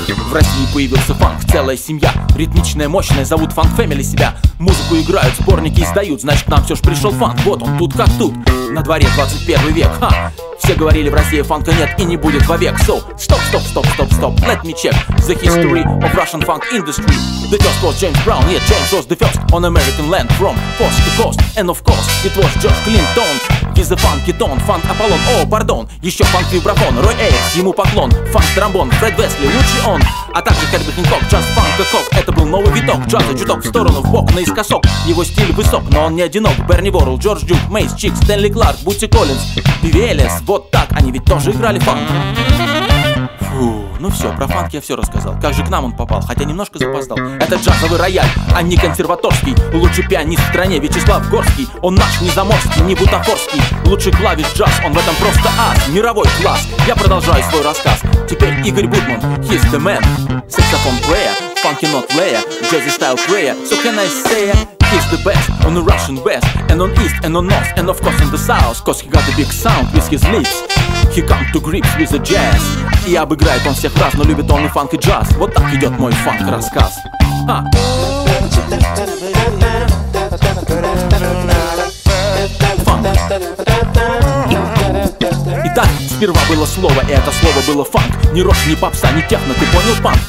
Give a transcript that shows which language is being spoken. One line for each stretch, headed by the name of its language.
Russian: В России появился фанк, целая семья. Ритмичная, мощная, зовут фанк фэмили себя. Музыку играют, сборники издают. Значит, нам все ж пришел фанк, вот он тут как тут. На дворе 21 век, ха. Все говорили, в России фанка нет и не будет вовек.
English: So, stop, stop, stop, stop, stop. Let me check the history of Russian funk industry. The first was James Brown, yeah, James was the first on American land from coast to coast. And of course, it was George Clinton. He's the funky don,
Russian: фанк Аполлон. О, пардон, еще фанк вибрафон. Рой Эйкс, ему поклон. Фанк тромбон, Фред Весли, лучший он. А также Herbie Hancock, джаз фанк и кок. Это был новый виток джаза, чуток в сторону, в бок, наискосок. Его стиль высок, но он не одинок. Берни Ворл, Джордж Дюк, Мейс Чик, Стэнли Кларк, Бути Коллинз, Пивелес. Вот так, они ведь тоже играли фанк. Фу, ну все, про фанк я все рассказал. Как же к нам он попал, хотя немножко запоздал. Это джазовый рояль, а не консерваторский. Лучший пианист в стране Вячеслав Горский. Он наш, не заморский, не бутафорский. Лучший клавиш джаз, он в этом просто ас. Мировой класс, я продолжаю свой рассказ. Теперь Игорь Бутман,
English: he's the man.
Russian: Саксофон плея, фанки нот лея.
English: Джази стайл плея, so can I say it? He's the best on the Russian West, and on East, and on North, and of course in the South. Cause he got a big sound with his lips. He come to grips with the jazz.
Russian: И обыграет он всех раз, но любит он и фанк и джаз. Вот так идет мой фанк рассказ. Фанк. Итак, сперва было слово, и это слово было фанк. Ни рок, ни попса, ни техно, ты понял, фанк?